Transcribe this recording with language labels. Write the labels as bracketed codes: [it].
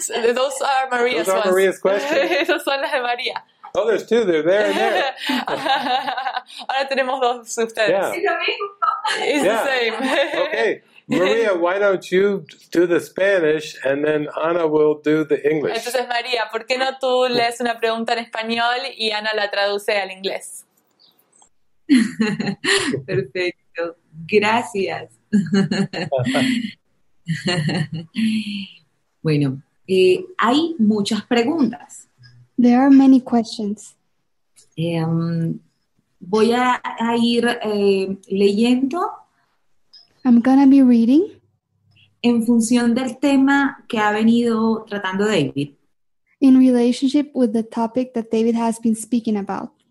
[en] Those are Maria's ones. Those are Maria's questions. [es] Esas son las de María. [en] Oh, there's two. They're there and there. [es] Ahora tenemos dos ustedes. [en] Yeah. It's the same. Okay. Maria, why don't you do the Spanish and then Ana will do the English. [es] Entonces, María, ¿por qué no tú lees una pregunta en español y Ana la traduce al inglés? Perfecto. Gracias. Bueno, hay muchas preguntas. [en] There are many questions. [es] Voy a ir leyendo. [en] I'm gonna be reading. [es] En función del tema que ha venido tratando David. [en] In relationship with the topic that David has been speaking about.